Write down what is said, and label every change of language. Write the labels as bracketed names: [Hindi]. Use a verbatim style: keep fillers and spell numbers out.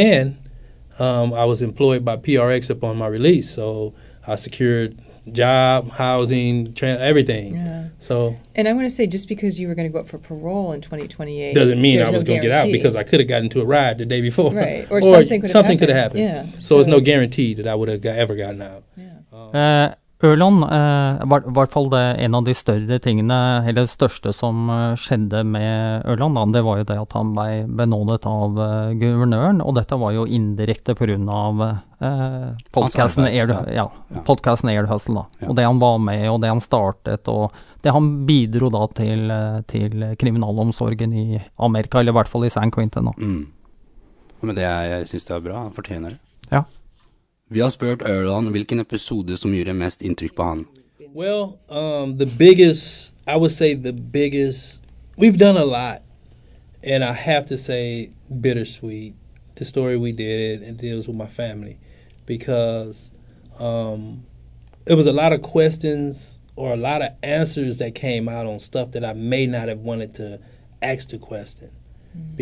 [English] And um, I was employed by P R X upon my release, so I secured job, housing, trans- everything. Yeah. So, and I want to say, just because you were going to go up for parole in twenty twenty-eight doesn't mean I was no going to get out, because I could have gotten into a ride the day before. Right. Or, or something could have something happened. happened. Yeah. So, so it's no guarantee that I would have ever gotten out. Yeah. Um, [Norwegian] uh, Ørland uh, var i hvert fall det en av de større tingene, eller det største som uh, skjedde med Ørland, det var jo det at han ble benådet av uh, guvernøren, og dette var jo indirekte på grunn av uh, podcasten Air, ja, ja. podcasten Air Hustle, da. Ja. Og det han var med, og det han startet, og det han bidro da til, til kriminalomsorgen i Amerika, eller i hvert fall i San Quentin. Mm. Men det, jeg synes det er bra, han fortjener det. Ja. Vi har spurt Erland hvilken episode som gjorde mest inntrykk på han. [English] Well, um, the biggest, I would say the biggest, we've done a lot, and I have to say bittersweet. The story we did, it deals with my family, because um, it was a lot of questions or a lot of answers that came out on stuff that I may not have wanted to ask the question, mm-hmm.